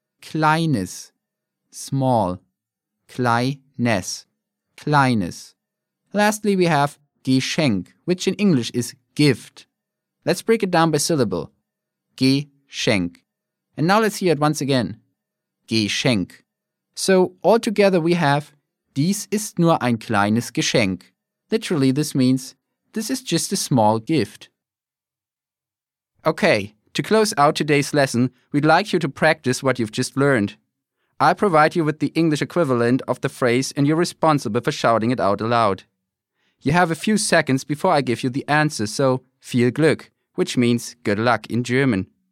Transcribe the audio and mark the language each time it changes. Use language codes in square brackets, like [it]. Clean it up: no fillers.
[de] Kleines, small, kleines, kleines. [en] Lastly, we have Geschenk, which in English is gift. Let's break it down by syllable. Geschenk. And now let's hear it once again. [de] Geschenk. [en] So, all together we have [de] Dies ist nur ein kleines Geschenk. [en] Literally, this means this is just a small gift. Okay, to close out today's lesson, we'd like you to practice what you've just learned. I'll provide you with the English equivalent of the phrase and you're responsible for shouting it out aloud. You have a few seconds before I give you the answer, so viel Glück, which means good luck in German.